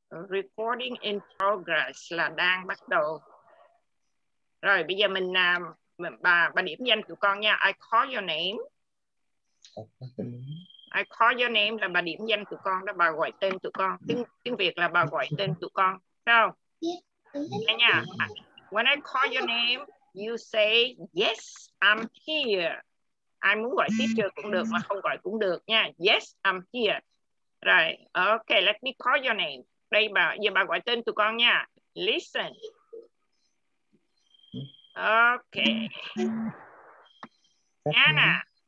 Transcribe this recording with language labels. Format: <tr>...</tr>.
<en>Recording in progress</en> <vi>là đang bắt đầu. Rồi bây giờ mình bà điểm danh tụi con nha.</vi> <en>I call your name. I call your name</en> <vi>là bà điểm danh tụi con đó, bà gọi tên tụi con. Tiếng Việt là bà gọi tên tụi con. Sao? Yeah. Nha.</vi> <en>When I call your name, you say yes, I'm here.</en> <vi>Ai muốn gọi teacher cũng được mà không gọi cũng được nha.</vi> <en>Yes, I'm here. Right. Okay, let me call your name.</en> <vi>Đây bà, giờ bà gọi tên tụi con nha.</vi> <en>Listen. Okay. Anna.</en>